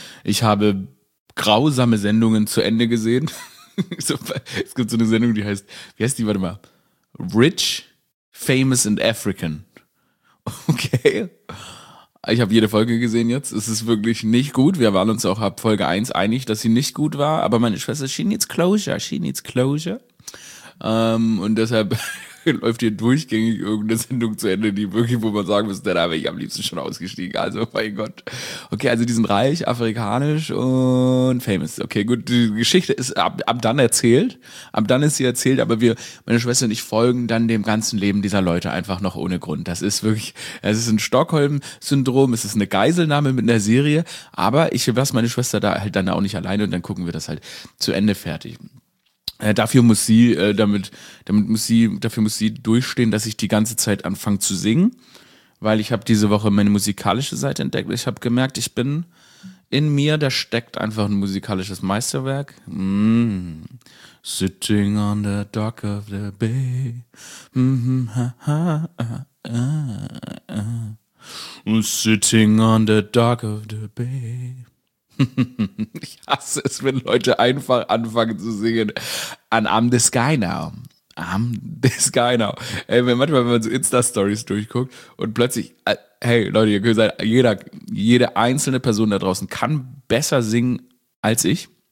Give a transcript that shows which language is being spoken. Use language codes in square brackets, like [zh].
[de] Ich habe grausame Sendungen zu Ende gesehen. Es gibt so eine Sendung, die heißt, wie heißt die, warte mal, Rich, Famous and African. Okay. Ich habe jede Folge gesehen jetzt. Es ist wirklich nicht gut. Wir waren uns auch ab Folge 1 einig, dass sie nicht gut war. Aber meine Schwester, [en] she needs closure. [de] Und deshalb... läuft hier durchgängig irgendeine Sendung zu Ende, die wirklich, wo man sagen müsste, da wäre ich am liebsten schon ausgestiegen. Also, mein Gott. Okay, also die sind reich, afrikanisch und famous. Okay, gut, die Geschichte ist ab dann erzählt. Ab dann ist sie erzählt, aber wir, meine Schwester und ich, folgen dann dem ganzen Leben dieser Leute einfach noch ohne Grund. Das ist wirklich, es ist ein Stockholm-Syndrom, es ist eine Geiselnahme mit einer Serie, aber ich lasse meine Schwester da halt dann auch nicht alleine und dann gucken wir das halt zu Ende fertig. Dafür muss sie durchstehen, dass ich die ganze Zeit anfange zu singen, weil ich habe diese Woche meine musikalische Seite entdeckt. Ich habe gemerkt, ich bin in mir, da steckt einfach ein musikalisches Meisterwerk. [en] Sitting on the dock of the bay. Sitting on the dock of the bay. [de] Ich hasse es, wenn Leute einfach anfangen zu singen. [en] And I'm the sky now. [de] Das gar genau. Ey, manchmal, wenn man so Insta-Stories durchguckt und plötzlich, hey Leute, ihr könnt sagen, jede einzelne Person da draußen kann besser singen als ich.